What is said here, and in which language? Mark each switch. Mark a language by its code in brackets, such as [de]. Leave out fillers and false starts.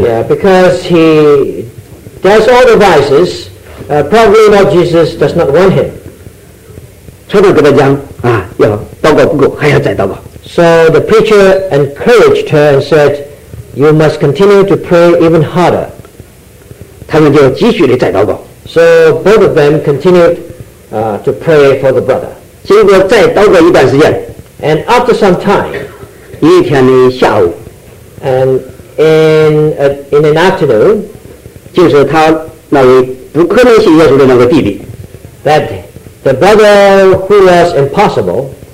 [en] Yeah, because he does all the vices, probably Lord Jesus does not want him. [zh] 传道跟他讲，要祷告不够，还要再祷告。 [en] So the preacher encouraged her and said, you must continue to pray even harder. [zh] 他们就继续地再祷告。 [en] So both of them continued to pray for the brother. [zh] 经过再祷告一段时间。 [en] And after some time, [zh] 一天的下午。 [en] And in an afternoon, [zh] 就是他那位不可能信耶稣的那个弟弟, [en] that the brother who was impossible,